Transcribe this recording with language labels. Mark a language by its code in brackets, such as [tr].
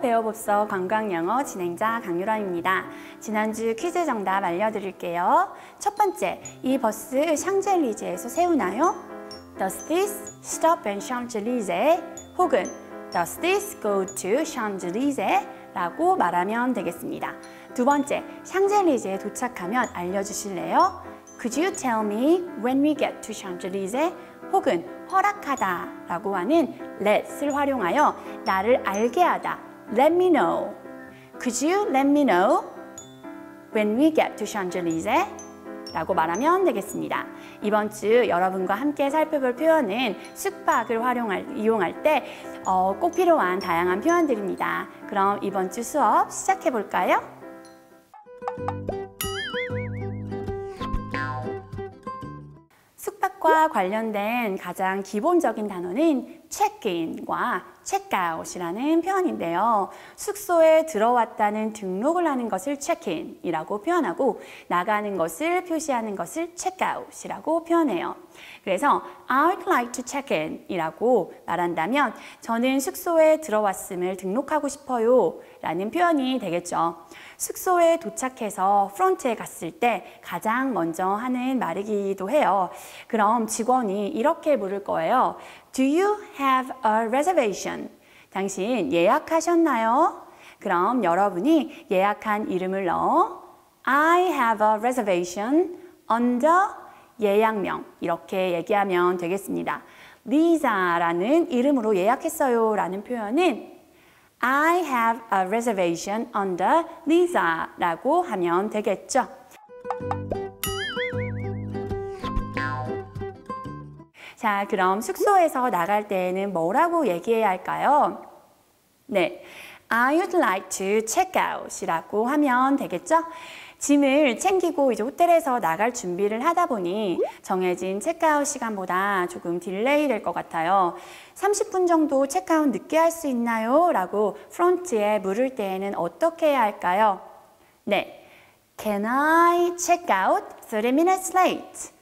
[ko] 배워봅서 관광영어 진행자 강유라입니다. 지난주 퀴즈 정답 알려드릴게요. 첫 번째, 이 버스 샹젤리제에서 세우나요? [en] Does this stop in Champs-Élysées? [ko] 혹은 [en] Does this go to Champs-Élysées? [ko] 라고 말하면 되겠습니다. 두 번째, 샹젤리제에 도착하면 알려주실래요? [en] Could you tell me when we get to Champs-Élysées? [ko] 혹은 허락하다 라고 하는 let을 활용하여 나를 알게 하다, [en] let me know. Could you let me know when we get to Champs-Élysées? [ko] 라고 말하면 되겠습니다. 이번 주 여러분과 함께 살펴볼 표현은 숙박을 이용할 때 꼭 필요한 다양한 표현들입니다. 그럼 이번 주 수업 시작해 볼까요? 숙박과 관련된 가장 기본적인 단어는 check-in과 check-out이라는 표현인데요. 숙소에 들어왔다는 등록을 하는 것을 check-in이라고 표현하고 나가는 것을 표시하는 것을 check-out이라고 표현해요. 그래서 [en] I'd like to check-in [ko] 이라고 말한다면 저는 숙소에 들어왔음을 등록하고 싶어요 라는 표현이 되겠죠. 숙소에 도착해서 프론트에 갔을 때 가장 먼저 하는 말이기도 해요. 그럼 직원이 이렇게 물을 거예요. [en] Do you have a reservation? [ko] 당신 예약하셨나요? 그럼 여러분이 예약한 이름을 넣어 [en] I have a reservation under [ko] 예약명 이렇게 얘기하면 되겠습니다. Lisa라는 이름으로 예약했어요 라는 표현은 [en] I have a reservation under Lisa [ko] 라고 하면 되겠죠. 자, 그럼 숙소에서 나갈 때에는 뭐라고 얘기해야 할까요? 네, [en] I would like to check out [ko] 이라고 하면 되겠죠. 짐을 챙기고 이제 호텔에서 나갈 준비를 하다 보니 정해진 체크아웃 시간보다 조금 딜레이 될 것 같아요. 30분 정도 체크아웃 늦게 할 수 있나요? 라고 프론트에 물을 때에는 어떻게 해야 할까요? 네, [en] Can I check out 30 minutes late?